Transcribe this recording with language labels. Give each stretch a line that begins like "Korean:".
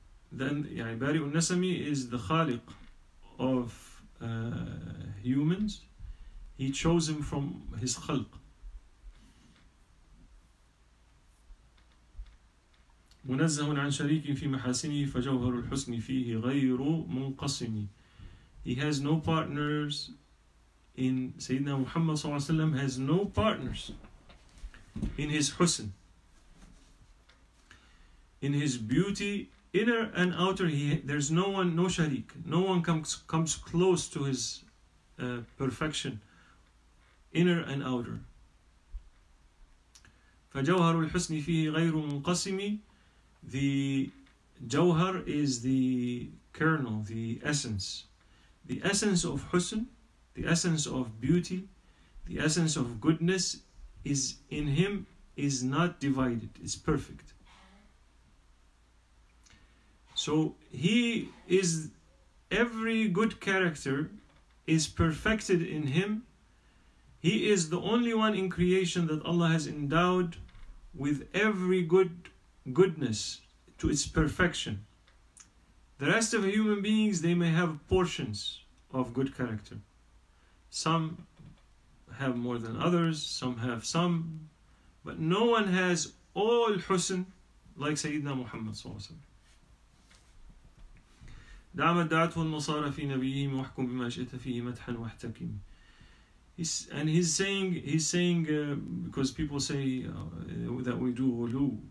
English: Then, يعني, Bari'u al-Nasami is the Khaliq of humans, he chose him from his khalq.
Arabic: منزه عن شريك في محاسنه فجوهر الحسن فيه غير منقسم.
English: He has no partners in Sayyidina Muhammad
Arabic: صلى الله عليه وسلم,
English: has no partners in his husn, in his beauty, inner and outer. There's no one, no sharik, no one comes close to his perfection, inner and outer.
Arabic: فجوهر الحسن فيه غير منقسم.
English: The jawhar is the kernel, the essence. The essence of husn, the essence of beauty, the essence of goodness is in him, is not divided, it's perfect. So he is, every good character is perfected in him. He is the only one in creation that Allah has endowed with every goodness to its perfection. The rest of human beings, they may have portions of good character. Some have more than others, some have some, but no one has all husn like Sayyidina Muhammad sallallahu alaihi wasallam.
Arabic: دعمت دعته النصارى في نبيهم واحكم بما شئت فيه مدحا واحتكم.
English: And he's saying because people say that we do ghulu.